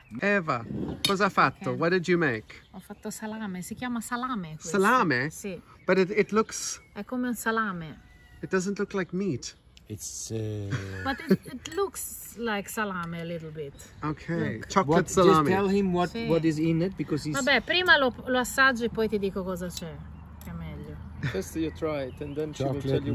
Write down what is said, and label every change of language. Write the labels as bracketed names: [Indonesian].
[Italian] Eva, cosa fatto? [English] Okay. What did you make? [Italian] Ho fatto salame. Si chiama salame questo. Salame? Sì. [English] But it looks... [Italian] È come un salame. [English] It doesn't look like meat. It's... but it looks like salame a little bit. Okay. Look. Chocolate what, salame. Just tell him what is in it because he's... [Italian] Vabbè, prima lo assaggio e poi ti dico cosa c'è. [English] First you try it, and then chocolate, she will tell you